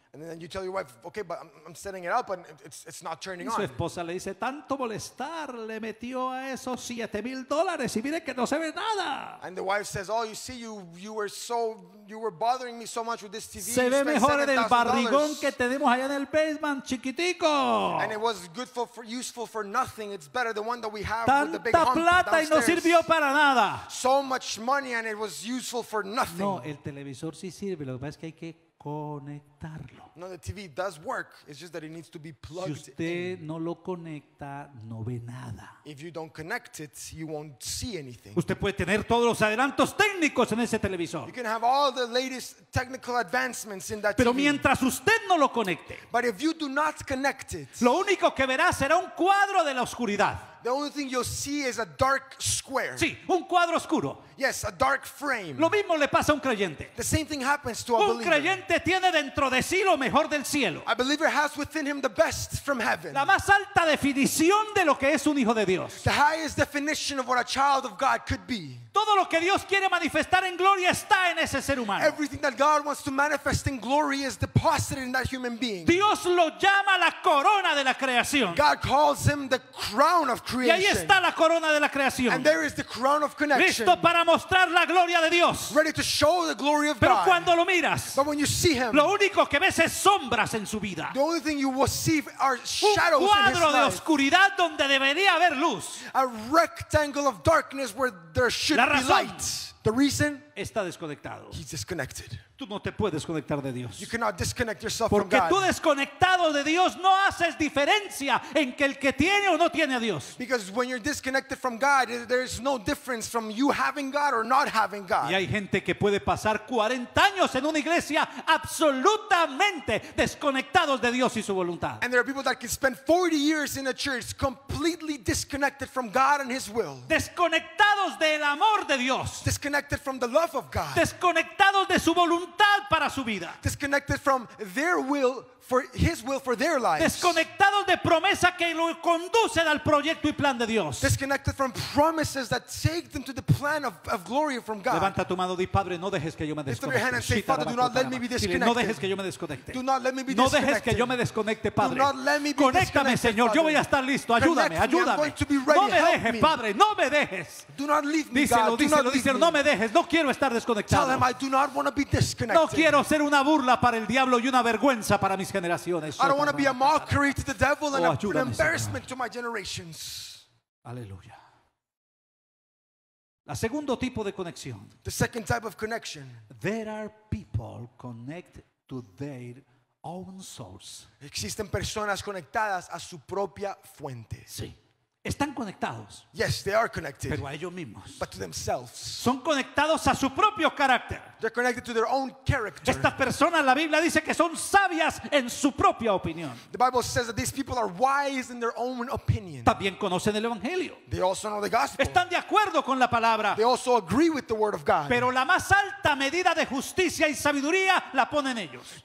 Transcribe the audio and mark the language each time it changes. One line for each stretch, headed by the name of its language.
English: And then you tell your wife, okay, but I'm setting it up and it's not turning on.
Spanish: Y su esposa le dice, tanto molestar, le metió a esos $7,000 y mire que no se ve nada.
English: And the wife says, oh, you see, you were bothering me so much with this TV.
Spanish: Se
English: you
Spanish: ve mejor $7,000. En el barrigón que tenemos allá en el basement, chiquitico.
English: And it was good for useful for nothing. It's better than the one that we have
Spanish: Tanta
English: with the big hump
Spanish: plata
English: downstairs.
Spanish: Y no sirvió para nada.
English: So much money and it was useful for nothing.
Spanish: No, el televisor sí sirve, lo que pasa es que hay que conectarlo.
English: No, the TV does work. It's just that it needs to be plugged
Spanish: in. Si usted
English: in.
Spanish: No lo conecta, no ve nada.
English: If you don't connect it, you won't see anything.
Spanish: Usted puede tener todos los adelantos técnicos en ese televisor.
English: You can have all the latest technical advancements in that
Spanish: Pero
English: TV.
Spanish: Pero mientras usted no lo conecte,
English: but if you do not connect it,
Spanish: lo único que verá será un cuadro de la oscuridad.
English: The only thing you'll see is a dark square.
Spanish: Sí, un cuadro oscuro.
English: Yes, a dark frame.
Spanish: Lo mismo le pasa a un creyente.
English: The same thing happens to
Spanish: un
English: a believer.
Spanish: Un creyente tiene dentro de sí lo mejor del cielo.
English: A believer has within him the best from heaven.
Spanish: La más alta definición de lo que es un hijo de Dios.
English: The highest definition of what a child of God could be.
Spanish: Todo lo que Dios quiere manifestar en gloria está en ese ser humano.
English: Everything that God wants to manifest in glory is deposited in that human being.
Spanish: Dios lo llama la corona de la creación.
English: God calls him the crown of creation.
Spanish: Y ahí está la corona de la creación.
English: And there is the crown of connection.
Spanish: Listo para mostrar la gloria de Dios.
English: Ready to show the glory of
Spanish: Pero
English: God.
Spanish: Cuando lo miras,
English: But when you see him,
Spanish: lo único que ves es sombras en su vida.
English: The only thing you will see are
Spanish: Un
English: shadows
Spanish: cuadro
English: in his
Spanish: de
English: life.
Spanish: Oscuridad donde debería haber luz.
English: A rectangle of darkness where there should
Spanish: La razón
English: light. The reason
Spanish: está desconectado.
English: He's disconnected.
Spanish: Tú no te puedes conectar de Dios.
English: You cannot disconnect yourself
Spanish: Porque
English: from God.
Spanish: Porque tú desconectado de Dios no haces diferencia en que el que tiene o no tiene a Dios.
English: Because when you're disconnected from God, there is no difference from you having God or not having God.
Spanish: Y hay gente que puede pasar 40 años en una iglesia absolutamente desconectados de Dios y su voluntad.
English: And there are people that can spend 40 years in a church completely disconnected from God and his will.
Spanish: Desconectados del amor de Dios.
English: Disconnected from the love of God.
Spanish: Desconectados de su voluntad. Para su vida.
English: Disconnected from their will for his will for their lives.
Spanish: Desconectados de promesa que lo conducen al proyecto y plan de Dios.
English: Disconnected from promises that take them to the plan of glory from God.
Spanish: Levanta tu mano, di Padre, no dejes que yo me desconecte.
English: Lift your hand and say, Father, do not let me be disconnected.
Spanish: No dejes que yo me desconecte.
English: Do not let me be disconnected.
Spanish: No dejes que yo me desconecte, Padre.
English: Do not let me be disconnected.
Spanish: Conéctame, Señor. Yo voy a estar listo. Ayúdame, ayúdame.
English: I'm going to be ready.
Spanish: No me dejes, Padre. No me dejes.
English: Do not leave me, God.
Spanish: Díselo, no me dejes. No quiero estar desconectado.
English: Tell him I do not want to be disconnected.
Spanish: No quiero ser una burla para el diablo y una vergüenza para mis generaciones.
English: I don't want to be a mockery to the devil and an embarrassment to my generations.
Spanish: Aleluya. La segundo tipo de conexión.
English: The second type of connection. There are people connect to their own source.
Spanish: Existen personas conectadas a su propia fuente. Sí. Están conectados.
English: Yes, they are connected.
Spanish: Pero a ellos mismos.
English: But to themselves.
Spanish: Son conectados a su propio carácter.
English: They're connected to their own character.
Spanish: Estas personas, la Biblia dice que son sabias en su propia opinión.
English: The Bible says that these people are wise in their own opinion.
Spanish: También conocen el evangelio.
English: They also know the gospel.
Spanish: Están de acuerdo con la palabra.
English: They also agree with the word of God.
Spanish: Pero la más alta medida de justicia y sabiduría la ponen ellos.